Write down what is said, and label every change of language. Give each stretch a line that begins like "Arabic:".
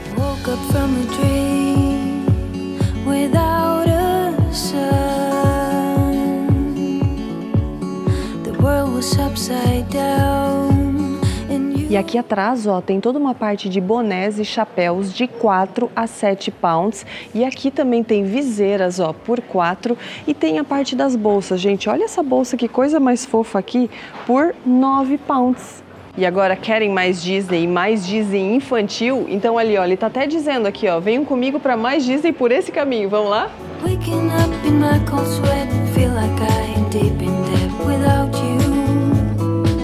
English: Woke up from a dream without a sun. The world was upside down.
Portuguese: E aqui atrás, ó, tem toda uma parte de bonés e chapéus de 4 a 7 pounds. E aqui também tem viseiras, ó, por 4. E tem a parte das bolsas, gente. Olha essa bolsa, que coisa mais fofa aqui, por 9 pounds. E agora, querem mais Disney e mais Disney infantil? Então ali, ó, ele tá até dizendo aqui, ó, venham comigo pra mais Disney por esse caminho, vamos lá?
English: Waking up in my cold sweat, feel like I'm deep in debt without you.